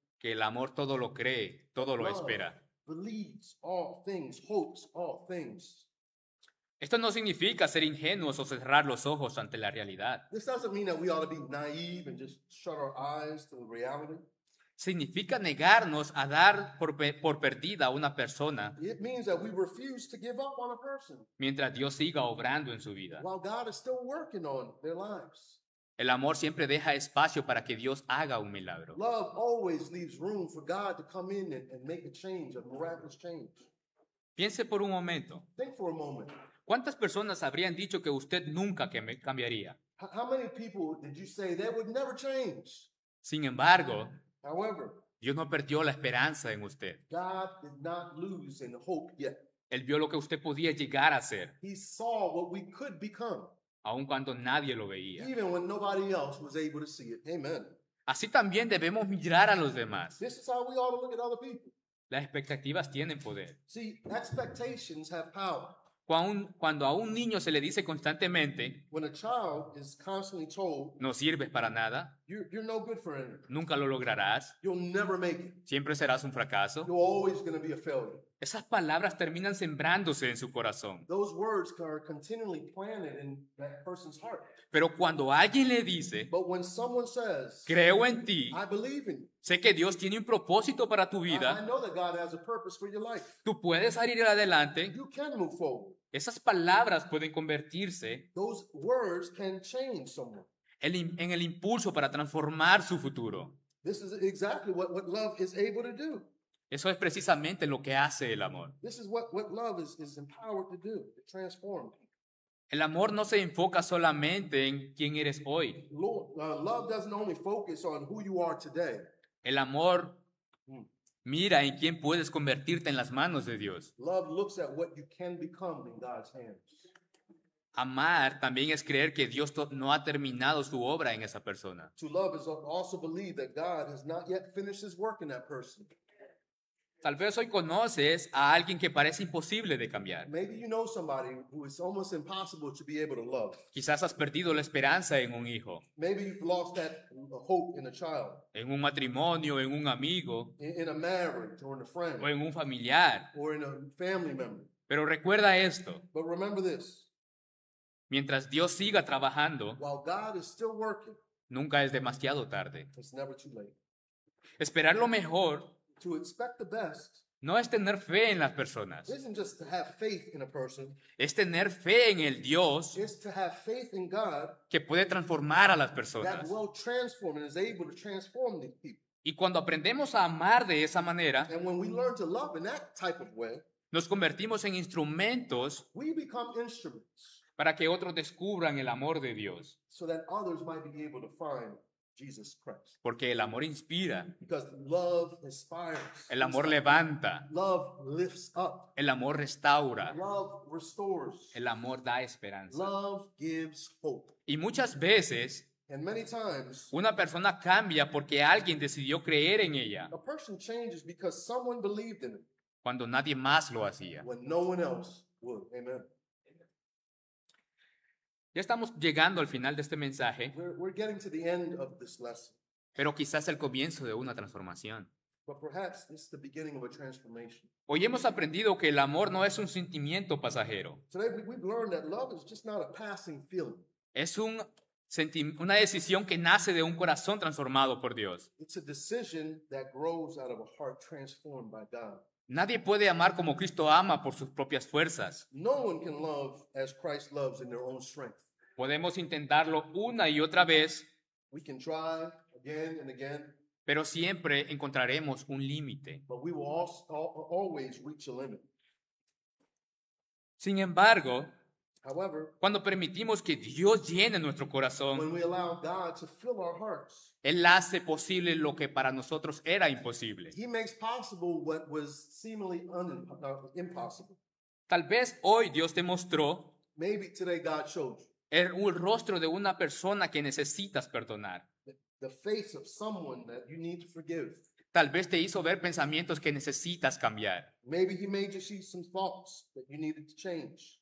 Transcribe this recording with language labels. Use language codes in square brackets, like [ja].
[es] que el amor todo lo cree, todo lo espera. [en] Believes all things, hopes all things. [es] Esto no significa ser ingenuos o cerrar los ojos ante la realidad. [en] This doesn't mean that we ought to be naive and just shut our eyes to the reality. [es] Significa negarnos a dar por perdida a una persona. [en] It means that we refuse to give up on a person. [es] Mientras Dios siga obrando en su vida. [en] While God is still working on their lives. [es] El amor siempre deja espacio para que Dios haga un milagro. [en] Love always leaves room for God to come in and make a change, a miraculous change. [es] Piense por un momento. [en] Think for a moment. [es] ¿Cuántas personas habrían dicho que usted nunca cambiaría? [en] How many people did you say they would never change? [es] Sin embargo, [en] however, [es] Dios no perdió la esperanza en usted. [en] God did not lose in hope yet. [es] Él vio lo que usted podía llegar a ser. [en] He saw what we could become. [es] Aun cuando nadie lo veía. [en] Even when nobody else was able to see it. Amen. [es] Así también debemos mirar a los demás. [en] This is how we ought to look at other people. [es] Las expectativas tienen poder. [en] See, expectations have power. [es] Cuando a un niño se le dice constantemente, [en] when a child is constantly told, [es] no sirves para nada, [en] you're no good for anything. [es] Nunca lo lograrás, [en] you'll never make it. [es] Siempre serás un fracaso, [en] you're always going to be a failure. [es] Esas palabras terminan sembrándose en su corazón. [en] Those words are continually planted in that person's heart. [es] Pero cuando alguien le dice, [en] but when someone says, [es] creo en ti, [en] I believe in you. [es] Sé que Dios tiene un propósito para tu vida, [en] I know that God has a purpose for your life. [es] Tú puedes salir adelante, [en] you can move forward. [es] Esas palabras pueden convertirse, [en] those words can change someone. [es] En el impulso para transformar su futuro. [en] This is exactly what love is able to do. [es] Eso es precisamente lo que hace el amor. [en] This is what love is empowered to do, to transform. [es] El amor no se enfoca solamente en quién eres hoy. [en] Love doesn't only focus on who you are today. [es] El amor mira en quién puedes convertirte en las manos de Dios. [en] Love looks at what you can become in God's hands. [es] Amar también es creer que Dios no ha terminado su obra en esa persona. [en] To love is also believe that God has not yet finished his work in that person. [es] Tal vez hoy conoces a alguien que parece imposible de cambiar. [en] Maybe you know somebody who is almost impossible to be able to love. [es] Quizás has perdido la esperanza en un hijo. [en] Maybe you've lost that hope in a child. [es] En un matrimonio, en un amigo. [en] In a marriage or in a friend. [es] O en un familiar. [en] Or in a family member. [es] Pero recuerda esto. [en] But remember this. [es] Mientras Dios siga trabajando, [en] while God is still working, [es] nunca es demasiado tarde. [en] It's never too late. [es] Esperar lo mejor. [en] To expect the best, [es] no es tener fe en las personas. [en] Isn't just to have faith in a person, [es] es tener fe en el Dios [en] to have faith in God, [es] que puede transformar a las personas. [en] That will transform and is able to transform these people. [es] Y cuando aprendemos a amar de esa manera, [en] and when we learn to love in that type of way, [es] nos convertimos en instrumentos, [en] we become instruments, [es] para que otros descubran el amor de Dios. [en] So that others might be able to find Jesus Christ. [es] Porque el amor inspira. [en] Because love inspires. [es] El amor levanta. [en] Love lifts up. [es] El amor restaura. [en] Love restores. [es] El amor da esperanza. [en] Love gives hope. [es] Y muchas veces, [en] and many times, [es] una persona cambia porque alguien decidió creer en ella. [en] A person changes because someone believed in it. [es] Cuando nadie más lo hacía. [en] When no one else would. Amen. [es] Ya estamos llegando al final de este mensaje. [en] We're getting to the end of this lesson. [es] Pero quizás el comienzo de una transformación. [en] But perhaps it's the beginning of a transformation. [es] Hoy hemos aprendido que el amor no es un sentimiento pasajero. [en] Today we've learned that love is just not a passing feeling. [es] Es una decisión que nace de un corazón transformado por Dios. [en] It's a decision that grows out of a heart transformed by God. [es] Nadie puede amar como Cristo ama por sus propias fuerzas. [en] No one can love as Christ loves in their own strength. [es] Podemos intentarlo una y otra vez. [en] We can try again and again. [es] Pero siempre encontraremos un límite. [en] But we will always reach a limit. [es] Sin embargo, [en] however, [es] cuando permitimos que Dios llene nuestro corazón, [en] when we allow God to fill our hearts, [es] Él hace posible lo que para nosotros era imposible. [en] He makes possible what was seemingly impossible. [es] Tal vez hoy Dios te mostró, [en] maybe today God showed you, [es] el rostro de una persona que necesitas perdonar. [en] The face of someone that you need to forgive. [es] Tal vez te hizo ver pensamientos que necesitas cambiar. [en] Maybe he made you see some thoughts that you needed to change.